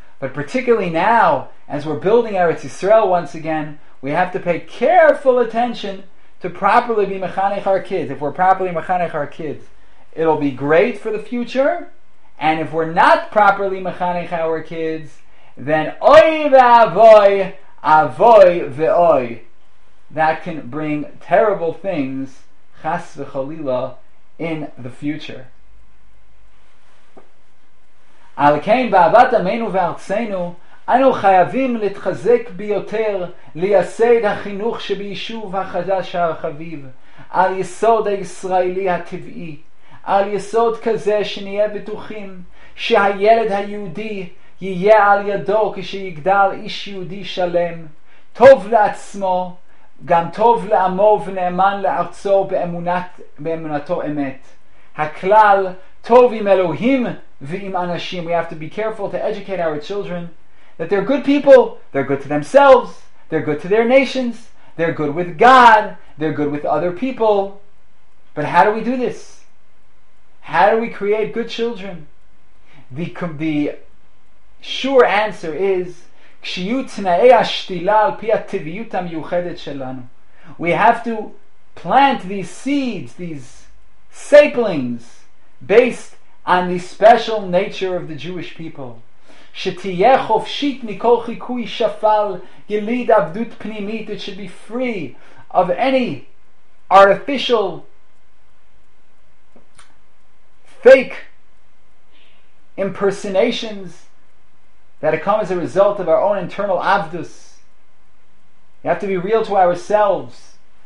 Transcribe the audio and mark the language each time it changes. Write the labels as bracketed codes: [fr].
[en] But particularly now, as we're building Eretz Yisrael once again, we have to pay careful attention to properly be mechanech our kids. If we're properly mechanech our kids, it'll be great for the future. And if we're not properly mechanech our kids, then oy v'avoy, avoy v'oy. That can bring terrible things, chas v'cholila, in the future. [he] על כן באהבת עמנו וארצנו אנו חייבים להתחזק ביותר לייסד החינוך שביישוב החדש החביב על יסוד הישראלי הטבעי, על יסוד כזה שנהיה בטוחים שהילד היהודי יהיה על ידו כשיגדל איש יהודי שלם, טוב לעצמו, גם טוב לעמו ונאמן לארצו באמונתו אמת. הכלל טוב עם אלוהים ועם אנשים. [en] We have to be careful to educate our children that they're good people, they're good to themselves, they're good to their nations, they're good with God, they're good with other people. But how do we do this? How do we create good children? The sure answer is [he] כשיהיו תנאי השתילה על פי הטבעיות המיוחדת שלנו. [en] We have to plant these seeds, these saplings, based on the special nature of the Jewish people. [he] שתהיה חופשית מכל חיקוי שפל, יליד עבדות פנימית. [en] It should be free of any artificial, fake impersonations that have come as a result of our own internal avdus. We have to be real to ourselves.